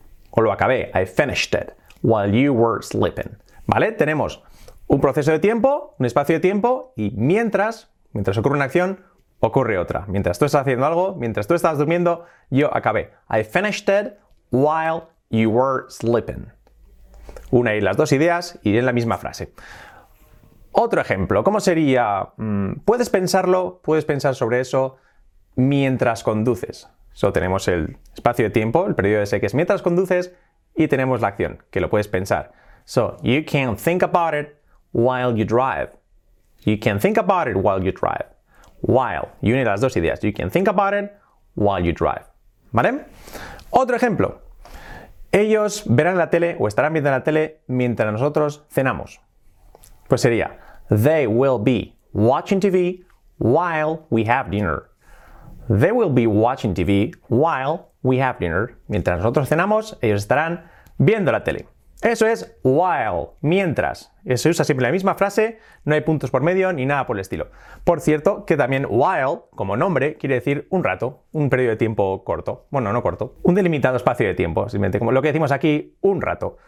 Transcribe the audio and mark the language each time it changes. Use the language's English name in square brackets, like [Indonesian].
[Spanish] O lo acabé, [English] I finished it while you were sleeping. [Spanish] ¿Vale? Tenemos un proceso de tiempo, un espacio de tiempo, y mientras ocurre una acción, ocurre otra. Mientras tú estás haciendo algo, mientras tú estás durmiendo, yo acabé. [English] I finished it while you were sleeping. [Spanish] Una y las dos ideas y en la misma frase. Otro ejemplo, ¿cómo sería? Puedes pensarlo, puedes pensar sobre eso mientras conduces. So, tenemos el espacio de tiempo, el periodo ese que es mientras conduces, y tenemos la acción, que lo puedes pensar. [English] So, you can think about it while you drive. You can think about it while you drive. While, [Spanish] y une las dos ideas. [English] You can think about it while you drive. [Spanish] ¿Vale? Otro ejemplo, ellos verán la tele o estarán viendo la tele mientras nosotros cenamos. Pues sería, [English] they will be watching TV while we have dinner. They will be watching TV while we have dinner. [Spanish] Mientras nosotros cenamos, ellos estarán viendo la tele. Eso es while, mientras. Se usa siempre la misma frase, no hay puntos por medio ni nada por el estilo. Por cierto, que también while, como nombre, quiere decir un rato, un periodo de tiempo corto. Bueno, no corto, un delimitado espacio de tiempo, simplemente como lo que decimos aquí, un rato.